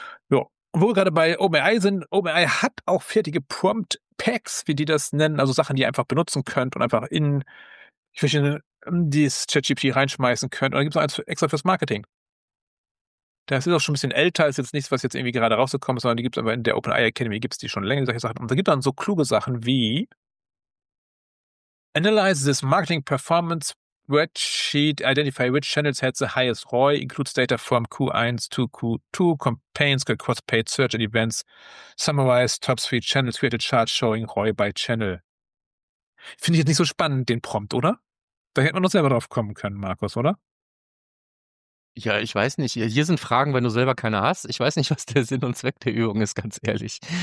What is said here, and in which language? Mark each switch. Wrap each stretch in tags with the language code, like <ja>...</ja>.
<de>Ja, wo wir gerade bei OpenAI sind, OpenAI hat auch fertige Prompt-Packs, wie die das nennen, also Sachen, die ihr einfach benutzen könnt und einfach in verschiedene dieses ChatGPT reinschmeißen könnt. Oder gibt es noch eins extra fürs Marketing? Das ist auch schon ein bisschen älter, ist jetzt nichts, was jetzt irgendwie gerade rausgekommen ist, sondern die gibt es aber in der OpenAI Academy, gibt es die schon länger, solche Sachen. Und da gibt es dann so kluge Sachen wie</de> <en>Analyze this marketing performance spreadsheet, identify which channels had the highest ROI, includes data from Q1 to Q2, campaigns, cross paid search and events, summarize top 3 channels, create a chart showing ROI by channel.</en> <de>Finde ich jetzt nicht so spannend, den Prompt, oder? Da hätte man doch selber drauf kommen können, Markus, oder? Ja, ich weiß nicht. Hier sind Fragen, wenn du selber keine hast. Ich weiß nicht, was der Sinn und Zweck der Übung ist, ganz ehrlich.</de>